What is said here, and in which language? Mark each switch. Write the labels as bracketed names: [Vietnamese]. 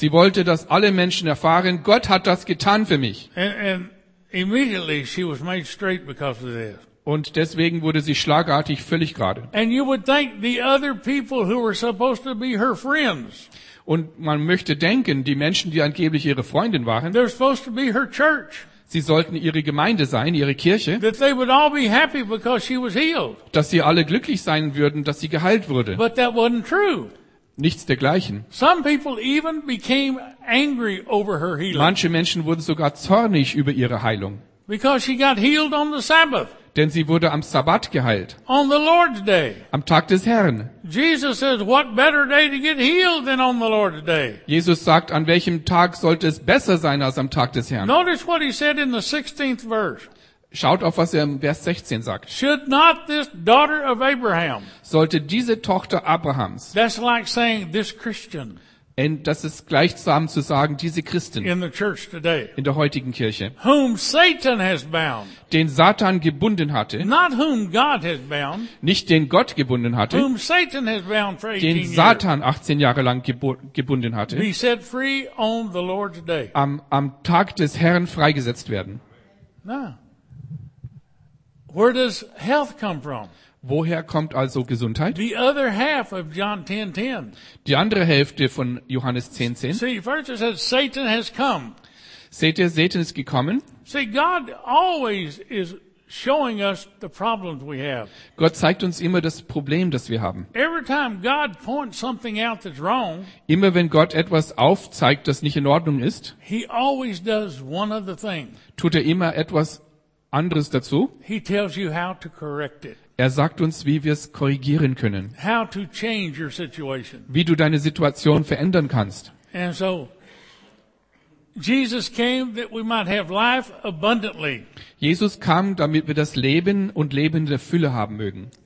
[German] Sie wollte, dass alle Menschen erfahren, Gott hat das getan für mich. [English] And immediately she was made straight because of this. [German] Und deswegen wurde sie schlagartig völlig gerade. [English] And you would think the other people who were supposed to be her friends. [German] Und man möchte denken, die Menschen, die angeblich ihre Freundin waren, [English] they're supposed to be her church. [German] Sie sollten ihre Gemeinde sein, ihre Kirche. [English] That they would all be happy because she was healed. [German] Dass sie alle glücklich sein würden, dass sie geheilt wurde. [English] But that wasn't true. [German] Nichts dergleichen. [English] Some people even became angry over her healing. [German] Manche Menschen wurden sogar zornig über ihre Heilung. [English] Because she got healed on the Sabbath. [German] Denn sie wurde am Sabbat geheilt. [English] On the Lord's Day. [German] Am Tag des Herrn. [English] Jesus says, what better day to get healed than on the Lord's Day? [German] Jesus sagt, an welchem Tag sollte es besser sein als am Tag des Herrn? [English] Notice what he said in the 16th verse. [German] Schaut auf, was er im Vers 16 sagt. [English] Should not this daughter of Abraham? [German] Sollte diese Tochter Abrahams? [English] That's like saying this Christian. [German] Und das ist gleichsam zu sagen, diese Christen [English] in, the church today, [German] in der heutigen Kirche, [English] whom Satan has bound, [German] den Satan gebunden hatte, [English] not whom God has bound, [German] nicht den Gott gebunden hatte, [English] whom Satan has bound for 18 [German] den Satan 18 Jahre lang gebunden hatte, [English] be set free on the Lord's Day. [German] Am Tag des Herrn freigesetzt werden. [English] Now, where does health come from? [German] Woher kommt also Gesundheit? [English] The other half of John 10:10. [German] Die andere Hälfte von Johannes 10:10. [English] See, first it says Satan has come. [German] Seht ihr, Satan ist gekommen. [English] See, God always is showing us the problems we have. [German] Gott zeigt uns immer das Problem, das wir haben. [English] Every time God points something out that's wrong, [German] immer wenn Gott etwas aufzeigt, das nicht in Ordnung ist, [English] he always does one other thing. [German] Tut er immer etwas anderes dazu. [English] He tells you how to correct it. [German] Er sagt uns, wie wir es korrigieren können. [English] How to change your situation. [German] Wie du deine Situation verändern kannst. [English] And so, Jesus came that we might have life abundantly. [German] Jesus kam, damit wir das Leben und Leben der Fülle haben mögen.